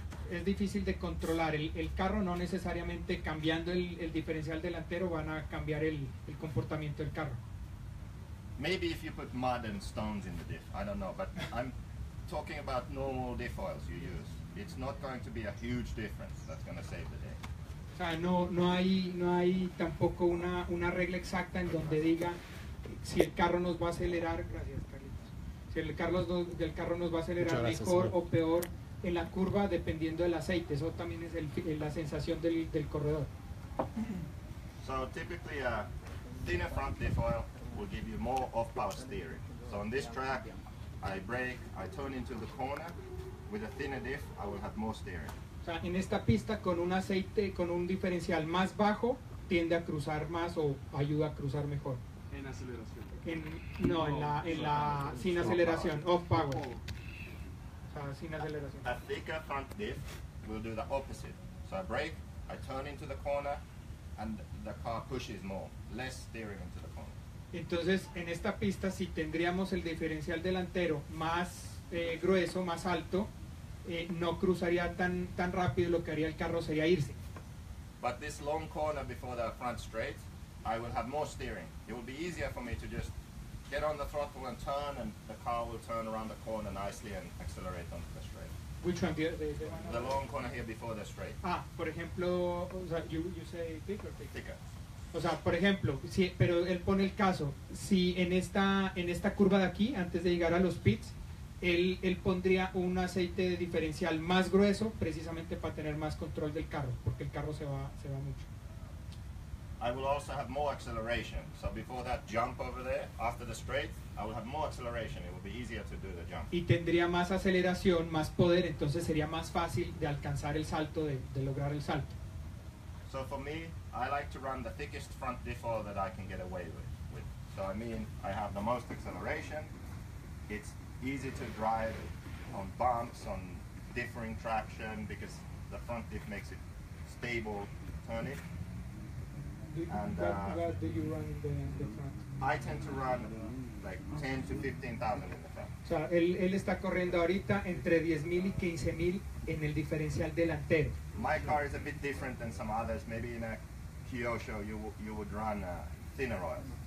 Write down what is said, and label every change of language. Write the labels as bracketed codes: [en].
[es] Es difícil de controlar el carro, no necesariamente cambiando el diferencial delantero van a cambiar el comportamiento del carro. [en] Maybe if you put mud and stones in the diff, I don't know, but I'm talking about normal diff oils you use. It's not going to be a huge difference that's going to save the day. [es] O sea, no hay tampoco una regla exacta en donde diga si el carro nos va a acelerar, gracias Carlitos. Si el carro nos va a acelerar mejor o peor en la curva dependiendo del aceite, eso también es la sensación del corredor. [en] So typically a thinner front diff oil will give you more off-power steering. So on this track, I brake, I turn into the corner. With a thinner diff, I will have more steering. [es] O sea, en esta pista con un aceite, con un diferencial más bajo, tiende a cruzar más o ayuda a cruzar mejor. En aceleración. Sin aceleración, [en] off power. [es] O sea, sin aceleración. [en] A thicker front diff will do the opposite. So I brake, I turn into the corner, and the car pushes more, less steering into the corner. [es] Entonces, en esta pista, si tendríamos el diferencial delantero más grueso, más alto, no cruzaría tan rápido, lo que haría el carro sería irse. [en] But this long corner before the front straight, I will have more steering. It will be easier for me to just get on the throttle and turn, and the car will turn around the corner nicely and accelerate on the straight. Which one? The long corner here before the straight. [es] Ah, por ejemplo, [en] you say thicker? Thicker. [es] O sea, por ejemplo, si, pero él pone el caso, si en esta curva de aquí, antes de llegar a los pits, él pondría un aceite de diferencial más grueso precisamente para tener más control del carro, porque el carro se va mucho. [en] I will also have more acceleration. So before that jump over there, after the straight, I will have more acceleration. It will be easier to do the jump. Y tendría más aceleración, más poder, entonces sería más fácil de alcanzar el salto, de lograr el salto. So for me, I like to run the thickest front diff that I can get away with. So I mean, I have the most acceleration. It's easy to drive on bumps, on differing traction, because the front diff makes it stable turning. What do you run in the front? I tend to run like 10,000 to 15,000 in the front. [es] O sea, él está corriendo ahorita entre 10,000 y 15,000 en el diferencial delantero. [en] My car is a bit different than some others. Maybe in a Kyosho you would run thinner oil.